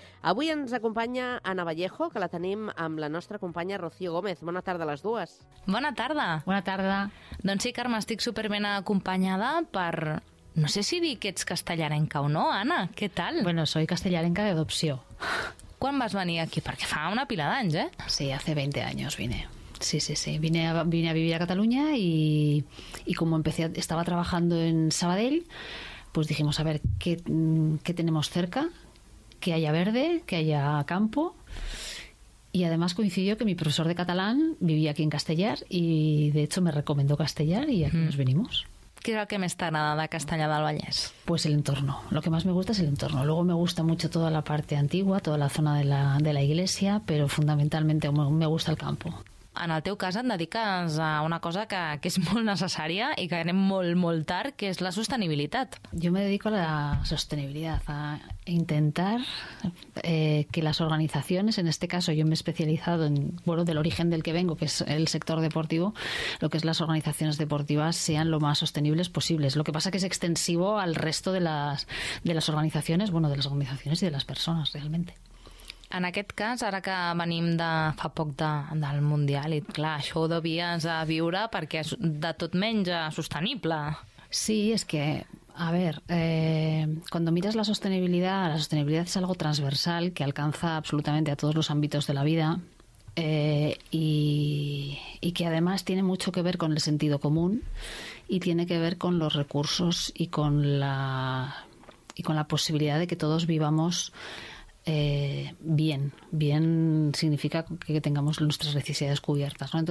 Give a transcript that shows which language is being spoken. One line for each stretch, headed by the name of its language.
Catalan: Avui ens acompanya Ana Vallejo, que la tenim amb la nostra companya Rocío Gómez. Bona tarda a les dues. Bona tarda. Bona tarda. Doncs sí, Carme, estic superben acompanyada per... No sé si dir que ets castellarenca o no, Anna. Què tal?
Spanish: Bueno, soy
Catalan: castellarenca d'adopció. Quan vas venir aquí? Perquè fa una pila d'anys, eh?
Spanish: Sí, hace 20 años vine. Sí, sí, sí. Vine a vivir a Catalunya y como estaba trabajando en Sabadell, pues dijimos, a ver, ¿qué tenemos cerca? Que haya verde, que haya campo. Y además coincidió que mi profesor de catalán vivía aquí en Castellar y de hecho me recomendó Castellar y aquí nos venimos. ¿Qué es lo que me está nada de Castellar del Vallès? Pues el entorno. Lo que más me gusta es el entorno. Luego me gusta mucho toda la parte antigua, toda la zona de la iglesia, pero fundamentalmente me gusta el campo.
Catalan: En el teu cas et dediques a una cosa que és molt necessària i que anem molt, molt tard, que és la sostenibilitat.
Spanish: Yo me dedico a la sostenibilidad, a intentar que las organizaciones, en este caso yo me he especializado en, bueno, del origen del que vengo, que es el sector deportivo, lo que es las organizaciones deportivas sean lo más sostenibles posibles. Lo que pasa que es extensivo al resto de las organizaciones, bueno, de las organizaciones y de las personas realmente.
Catalan: En aquest cas, ara que venim de fa poc del Mundial, i clar, això ho devies viure perquè és de tot menys sostenible. Sí, és que,
Spanish: a ver, cuando miras la sostenibilidad es algo transversal que alcanza absolutamente a todos los ámbitos de la vida y que además tiene mucho que ver con el sentido común y tiene que ver con los recursos y con la posibilidad de que todos vivamos bien significa que tengamos nuestras necesidades cubiertas, ¿no?